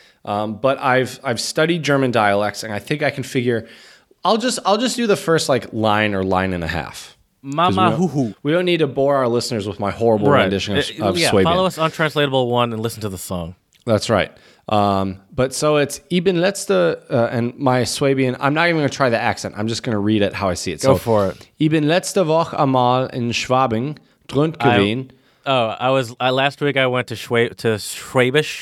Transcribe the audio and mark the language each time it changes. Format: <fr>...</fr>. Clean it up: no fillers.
<en>But I've studied German dialects, and I think I can figure. I'll just do the first like line or line and a half. Mama hoo hoo. We don't need to bore our listeners with my horrible rendition of Sway Bin. Follow us on Translatable One and listen to the song. That's right. But so it's</en> <de>Ibn letzte,</de> <en>and my Swabian, I'm not even going to try the accent. I'm just going to read it how I see it. Go for it.</en> <de>Ibn letzte Woche einmal in Schwabing drunt gewesen.</de> <en>Last week I went to Schwabian.</en>